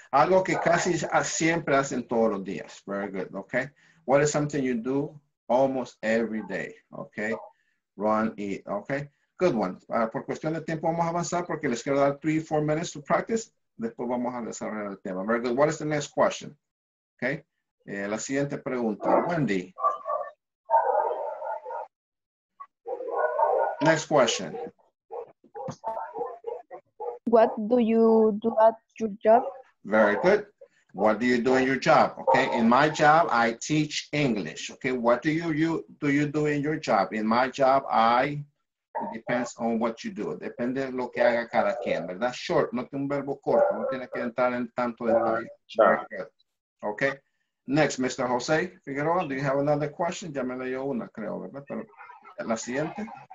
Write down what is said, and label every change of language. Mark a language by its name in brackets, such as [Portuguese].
[Spanish] Algo que casi siempre hacen todos los días. [English] Very good. Okay. What is something you do almost every day? Okay. Run, eat. Okay. Good one. [Spanish] Por cuestión de tiempo vamos a avanzar porque les quiero dar [English] 3-4 minutes to practice. [Spanish] Después vamos a desarrollar el tema. [English] Very good. What is the next question? Okay. [Spanish] La siguiente pregunta, Wendy. [English] Next question. What do you do at your job? Very good. What do you do in your job? Okay, in my job, I teach English. Okay, what do you do in your job? In my job, it depends on what you do. [Spanish] Depende de lo que haga cada quien, ¿verdad? Short, no tiene un verbo corto. No tiene que entrar en tanto detalle. [English] Very good. Okay. Next, Mr. Jose Figueroa, do you have another question? [Spanish] Ya me leyó una, creo, ¿verdad? Pero la siguiente.